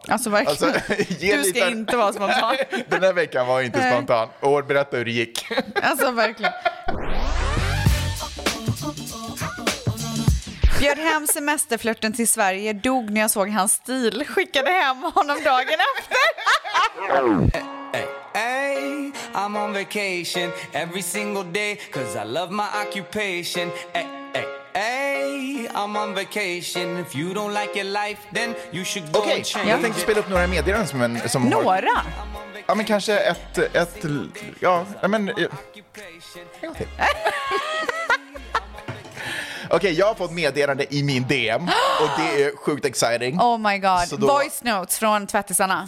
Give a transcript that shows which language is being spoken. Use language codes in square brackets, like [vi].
[sv] Alltså verkligen, alltså, du ska lite inte vara spontan. Den här veckan var inte spontan. Och berätta hur det gick. Alltså verkligen. Bjöd hem semesterflörten till Sverige, dog när jag såg hans stil, skickade hem honom dagen efter. [en] Hey, I'm on vacation every single day cuz I love my occupation. Hey, I'm on vacation. If you don't like your life then you should go okay, change. [sv] Okej, jag tänkte spela upp några meddelanden som några. Har, ja men kanske ett ja, men okej, jag har fått meddelande i min DM och det är sjukt exciting. [en] Oh my god, [sv] då, voice notes från tvättisarna.